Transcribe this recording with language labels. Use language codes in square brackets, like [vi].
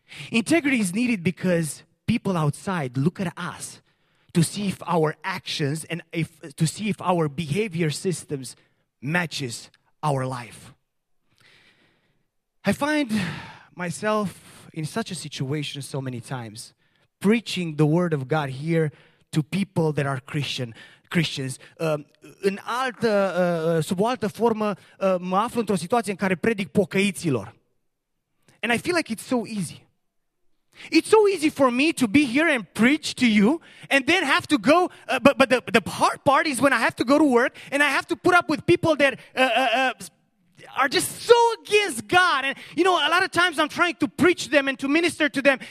[en] Integrity is needed because people outside look at us to see if our actions and to see if our behavior systems matches our life. I find myself in such a situation so many times, preaching the word of God here to people that are Christians. [ro] În altă, sub o altă formă, mă aflu într-o situație în care predic pocăiților. [en] And I feel like it's so easy. It's so easy for me to be here and preach to you and then have to go. But the hard part is when I have to go to work and I have to put up with people that are just so against God. And, you know, a lot of times I'm trying to preach them and to minister to them.